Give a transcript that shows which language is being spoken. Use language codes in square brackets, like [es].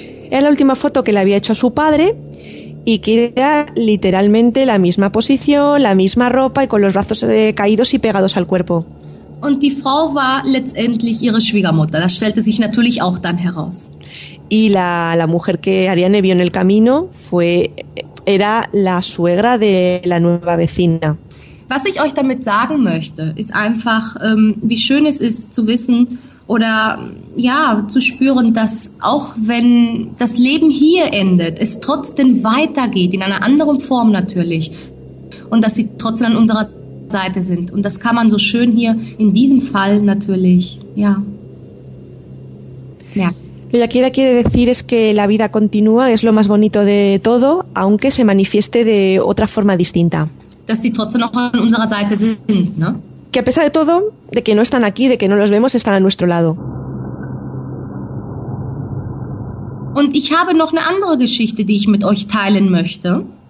[es] Era la última foto que le había hecho a su padre y que era literalmente la misma posición, la misma ropa y con los brazos caídos y pegados al cuerpo. [de] Und die Frau war letztendlich ihre Schwiegermutter. Das stellte sich natürlich auch dann heraus. [es] Y la mujer que Ariane vio en el camino fue era la suegra de la nueva vecina. [de] Was ich euch damit sagen möchte, ist einfach, wie schön es ist zu wissen oder ja, zu spüren, dass auch wenn das Leben hier endet, es trotzdem weitergeht, in einer anderen Form natürlich. Und dass sie trotzdem an unserer Seite sind. Und das kann man so schön hier in diesem Fall natürlich, ja. Ja. [es] Lo que ella quiere decir es que la vida continúa, es lo más bonito de todo, aunque se manifieste de otra forma distinta. [de] Dass sie trotzdem noch an unserer Seite sind, ne? [es] Que a pesar de todo, de que no están aquí, de que no los vemos, están a nuestro lado. [de] Und ich habe noch eine andere Geschichte, die ich mit euch teilen möchte.